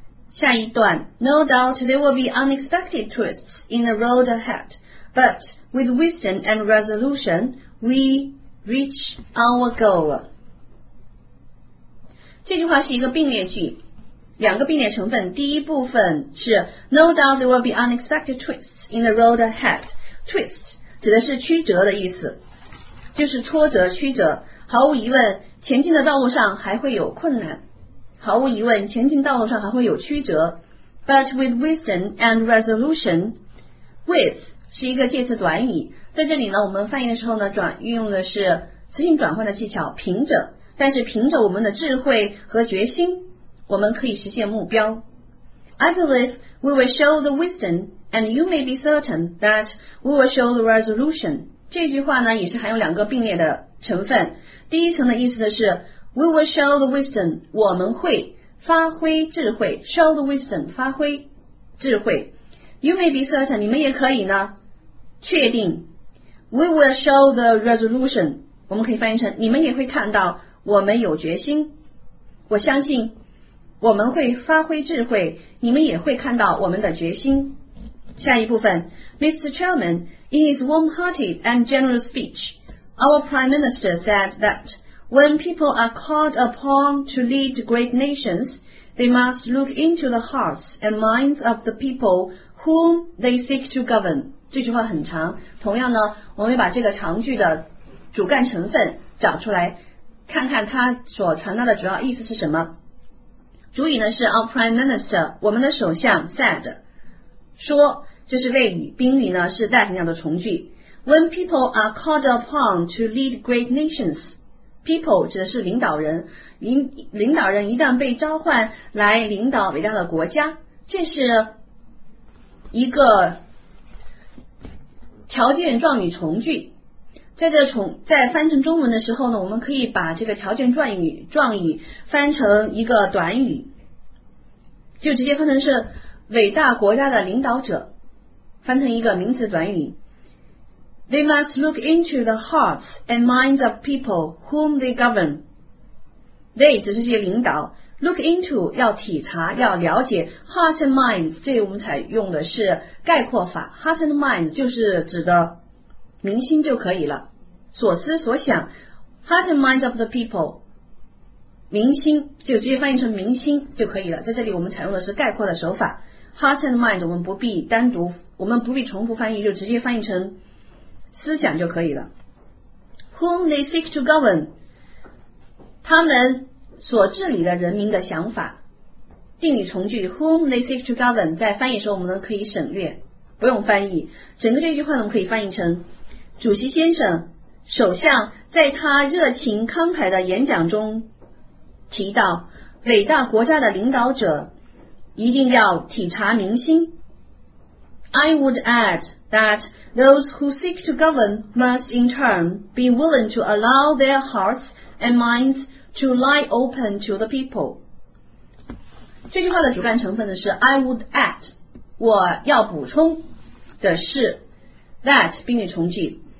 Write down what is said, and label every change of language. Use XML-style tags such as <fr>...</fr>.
<zh>下一段</zh> <en>No doubt there will be unexpected twists in the road ahead, but with wisdom and resolution we reach our goal.</en> <zh>这句话是一个并列句，两个并列成分。第一部分是</zh> <en>No doubt there will be unexpected twists in the road ahead.</en> <zh>Twist指的是曲折的意思，就是挫折、曲折。毫无疑问，前进的道路上还会有困难。毫无疑问，前进道路上还会有曲折。</zh> <en>But with wisdom and resolution,</en> <zh>with 是一个介词短语，在这里呢，我们翻译的时候呢，运用的是词性转换的技巧，凭着。但是凭着我们的智慧和决心，我们可以实现目标。</zh> <en>I believe we will show the wisdom. And you may be certain that we will show the resolution.</en> <zh>这句话呢也是含有两个并列的成分。第一层的意思的是</zh> <en>We will show the wisdom.</en> <zh>我们会发挥智慧</zh> <en>Show the wisdom.</en> <zh>发挥智慧。</zh> <en>You may be certain,</en> <zh>你们也可以呢，确定。</zh> <en>We will show the resolution,</en> <zh>我们可以翻译成，你们也会看到，我们有决心。我相信，我们会发挥智慧，你们也会看到我们的决心。下一部分， Mr.</zh> <en>Chairman, in his warm-hearted and generous speech, our Prime Minister said that when people are called upon to lead great nations, they must look into the hearts and minds of the people whom they seek to govern.</en> <zh>这句话很长，同样呢，我们把这个长句的主干成分找出来，看看它所传达的主要意思是什么。主语呢是 our Prime Minister, 我们的首相 said,说，这是谓语，宾语呢是代名词的从句。</zh> <en>When people are called upon to lead great nations,</en> <zh>people 指的是领导人，领导人一旦被召唤来领导伟大的国家，这是一个条件状语从句。在翻成中文的时候呢，我们可以把这个条件状语翻成一个短语，就直接翻成是伟大国家的领导者，翻成一个名词短语。</zh> <en>They must look into the hearts and minds of people whom they govern.</en> <zh>They 只是这些领导， look into 要体察要了解， heart and minds 这我们采用的是概括法， heart and minds 就是指的民心就可以了，所思所想， heart and minds of the people民心，就直接翻译成民心就可以了。在这里我们采用的是概括的手法，Heart and mind 我们不必重复翻译，就直接翻译成思想就可以了。</zh> <en>Whom they seek to govern,</en> <zh>他们所治理的人民的想法，定语从句</zh> <en>Whom they seek to govern</en> <zh>在翻译时候我们可以省略不用翻译。整个这句话我们可以翻译成，主席先生首相在他热情慷慨的演讲中提到，伟大国家的领导者一定要体察民心。</zh> <en>I would add that those who seek to govern must in turn be willing to allow their hearts and minds to lie open to the people.</en> <zh>这句话的主干成分的是 I would add, 我要补充的是 that 宾语从句。</zh>